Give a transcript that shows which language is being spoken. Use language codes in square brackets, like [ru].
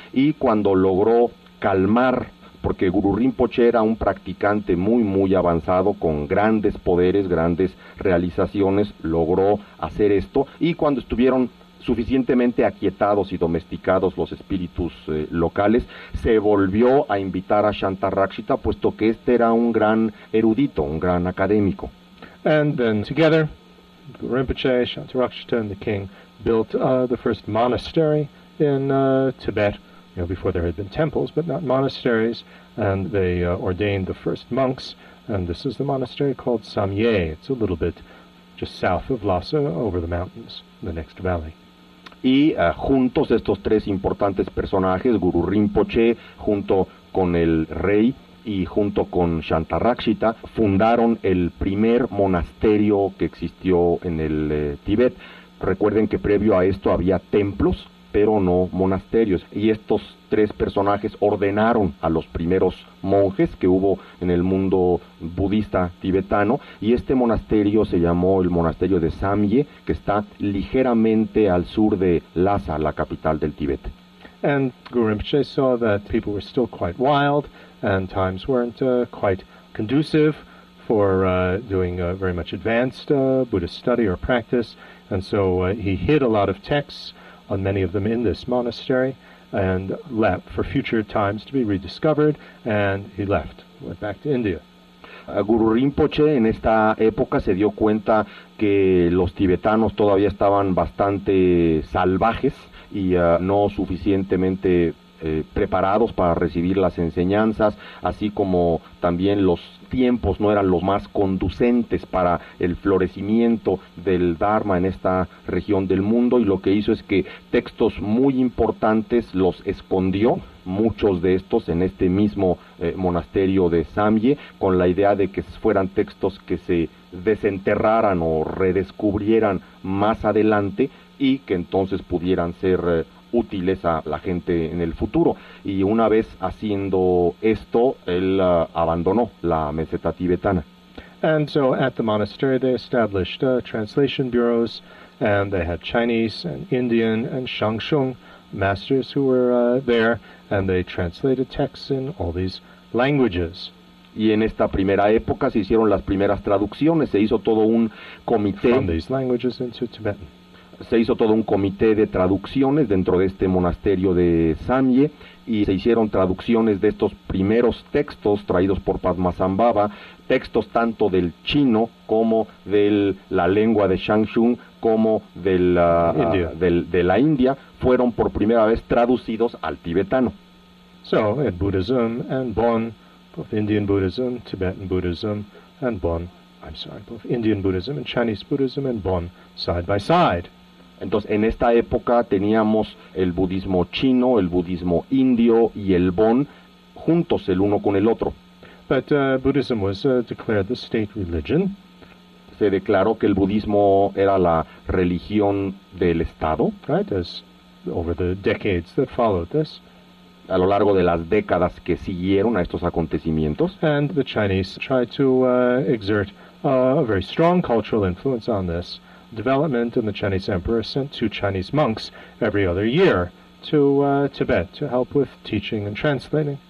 [es] Y cuando logró calmar, porque Guru Rinpoche era un practicante muy, muy avanzado, con grandes poderes, grandes realizaciones, logró hacer esto, y cuando estuvieron suficientemente aquietados y domesticados los espíritus locales, se volvió a invitar a Shantarakshita, puesto que este era un gran erudito, un gran académico. [en] And then together, Guru Rinpoche, Shantarakshita and the king built the first monastery in Tibet. You know, before there had been temples, but not monasteries, and they ordained the first monks, and this is the monastery called Samye. It's a little bit just south of Lhasa, over the mountains, in the next valley. [es] Y juntos estos tres importantes personajes, Guru Rinpoche, junto con el rey, y junto con Shantarakshita, fundaron el primer monasterio que existió en el Tíbet. Recuerden que previo a esto había templos, pero no monasterios. Y estos tres personajes ordenaron a los primeros monjes que hubo en el mundo budista tibetano, y este monasterio se llamó el monasterio de Samye, que está ligeramente al sur de Lhasa, la capital del Tíbet. [en] And Guru Rinpoche saw that people were still quite wild and times weren't quite conducive for doing a very much advanced Buddhist study or practice, and so he hid a lot of texts on many of them in this monastery and left for future times to be rediscovered, and he left, went back to India. [es] Guru Rinpoche en esta época se dio cuenta que los tibetanos todavía estaban bastante salvajes y no suficientemente preparados para recibir las enseñanzas, así como también los tiempos no eran los más conducentes para el florecimiento del Dharma en esta región del mundo, y lo que hizo es que textos muy importantes los escondió, muchos de estos en este mismo monasterio de Samye, con la idea de que fueran textos que se desenterraran o redescubrieran más adelante y que entonces pudieran ser útiles a la gente en el futuro. Y una vez haciendo esto, él abandonó la meseta tibetana. [en] And so at the monastery they established translation bureaus, and they had Chinese and Indian and Shangshung masters who were there, and they translated texts in all these languages. [es] Y en esta primera época se hicieron las primeras traducciones, se hizo todo un comité. [en] From these languages into Tibetan. [es] Se hizo todo un comité de traducciones dentro de este monasterio de Samye, y se hicieron traducciones de estos primeros textos traídos por Padmasambhava, textos tanto del chino como de la lengua de Shangshung, como de la India, fueron por primera vez traducidos al tibetano. [en] So, in Buddhism and Bon, both Indian Buddhism, Tibetan Buddhism and Bon, I'm sorry, both Indian Buddhism and Chinese Buddhism and Bon, side by side. [es] Entonces, en esta época teníamos el budismo chino, el budismo indio y el Bon juntos el uno con el otro. [en] But Buddhism was declared the state religion. [es] Se declaró que el budismo era la religión del Estado. [en] Right, as over the decades that followed this. [es] A lo largo de las décadas que siguieron a estos acontecimientos. [en] And the Chinese tried to exert a very strong cultural influence on this. Development and the Chinese emperor sent two Chinese monks every other year to Tibet to help with teaching and translating.